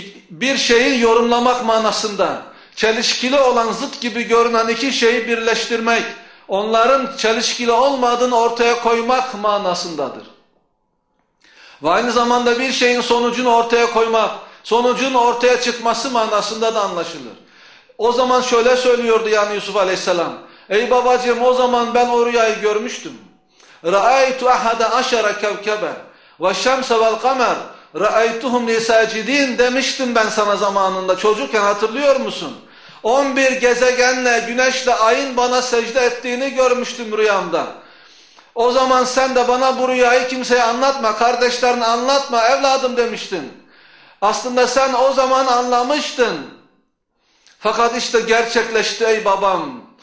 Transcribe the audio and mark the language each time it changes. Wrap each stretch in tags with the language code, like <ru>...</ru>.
<tr>Bir şeyi yorumlamak manasında çelişkili olan, zıt gibi görünen iki şeyi birleştirmek, onların çelişkili olmadığını ortaya koymak manasındadır. Ve aynı zamanda bir şeyin sonucunu ortaya koymak, sonucun ortaya çıkması manasında da anlaşılır. O zaman şöyle söylüyordu yani Yusuf Aleyhisselam. Ey babacığım, o zaman ben o rüyayı görmüştüm.</tr> <ar>رَأَيْتُ اَحَدَ اَشَرَ كَوْكَبَ وَالشَّمْسَ وَالْقَمَرَ رَأَيْتُهُمْ لِسَاجِدِينَ</ar> <tr>demiştim ben sana zamanında. Çocukken hatırlıyor musun? 11 gezegenle, güneşle, ayın bana secde ettiğini görmüştüm rüyamda. O zaman sen de bana bu rüyayı kimseye anlatma, kardeşlerine anlatma evladım demiştin. Aslında sen o zaman anlamıştın. Fakat işte gerçekleşti ey babam.</tr>